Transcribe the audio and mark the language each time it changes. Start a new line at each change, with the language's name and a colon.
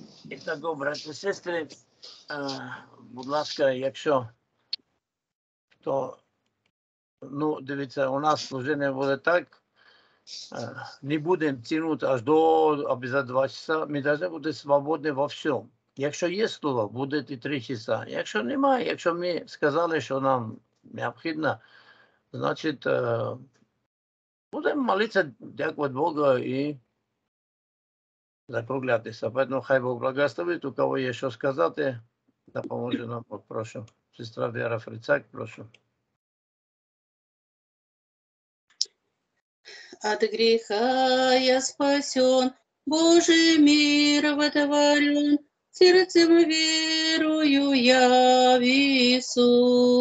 Russian: Итак, братья и сестры,
Ukrainian: будь ласка, якщо, то, ну, дивіться,
Russian: у нас служение будет так, не будем тянуть аж до, обязательно 2 часа, мы должны быть свободны во всем.
Ukrainian: Якщо
Russian: есть слово, будет и 3 часа.
Ukrainian: Якщо нема, якщо
Russian: мы сказали, что нам необходимо, значит, будем молиться,
Ukrainian: дякувати Богу
Russian: и...
Ukrainian: закруглятися.
Russian: Поэтому
Ukrainian: хай
Russian: Бог благословит.
Ukrainian: У кого є що сказати, да поможе нам, прошу. Сестра Вера Фрицак, прошу.
Russian: От греха я спасен, Божий мир водоворен, сердцем верую я в Иисуса.